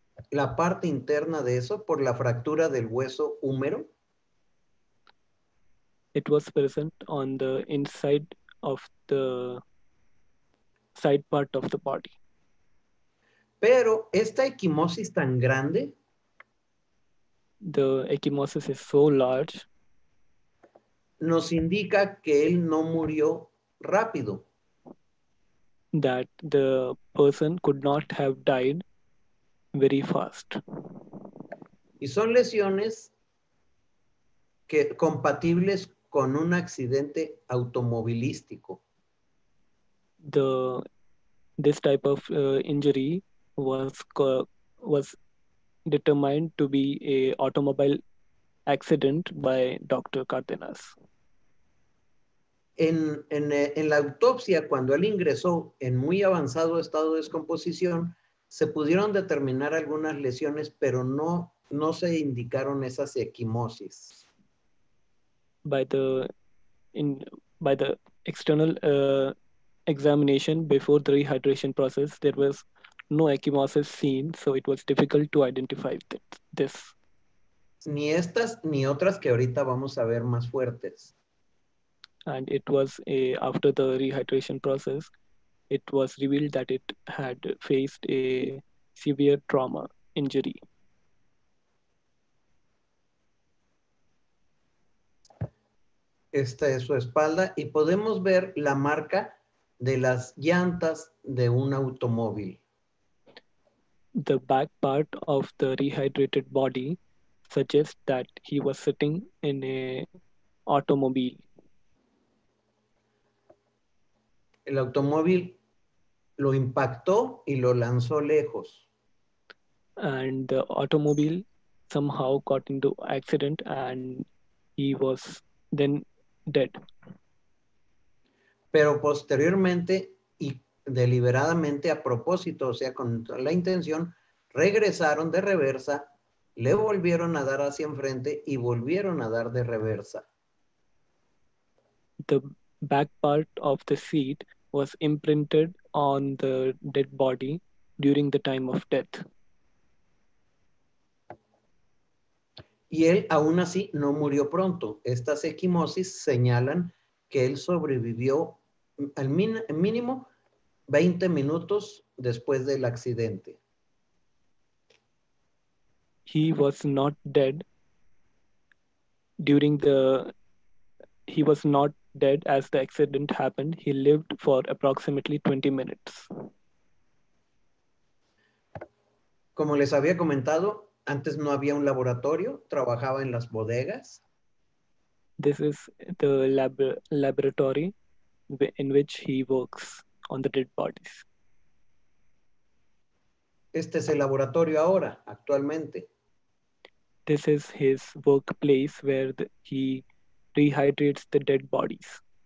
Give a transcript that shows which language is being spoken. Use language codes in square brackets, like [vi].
[es] La parte interna de eso por la fractura del hueso húmero. [en] It was present on the inside of the side part of the body. [es] Pero esta ecchymosis tan grande. [en] The ecchymosis is so large. [es] Nos indica que él no murió rápido. [en] That the person could not have died very fast. [es] Y son lesiones que compatibles con un accidente automovilístico. [en] This type of injury was determined to be a automobile accident by Dr. Cardenas. [es] En la autopsia, cuando él ingresó en muy avanzado estado de descomposición, se pudieron determinar algunas lesiones, pero no no se indicaron esas ecchimosis. [en] By the external examination before the rehydration process, there was no ecchymosis seen, so it was difficult to identify this. [es] Ni estas ni otras que ahorita vamos a ver más fuertes. [en] And it was after the rehydration process, it was revealed that it had faced a severe trauma injury. [es] Esta es su espalda y podemos ver la marca de las llantas de un automóvil. [en] The back part of the rehydrated body suggests that he was sitting in a automobile. [es] El automóvil lo impactó y lo lanzó lejos. [en] And the automobile somehow got into accident and he was then dead. [es] Pero posteriormente y deliberadamente a propósito, o sea, con la intención, regresaron de reversa, le volvieron a dar hacia enfrente y volvieron a dar de reversa. [en] The back part of the seat was imprinted on the dead body during the time of death. [es] Y él aún así no murió pronto. Estas ecquimosis señalan que él sobrevivió al mínimo 20 minutos después del accidente. [en] He was not dead during the... He was not dead as the accident happened. He lived for approximately 20 minutes. [es] Como les había comentado, antes no había un laboratorio, trabajaba en las bodegas. [en] This is the laboratory in which he works on the dead bodies. [es] Este es el laboratorio ahora, actualmente. [en] This is his workplace where he rehydrates the dead bodies.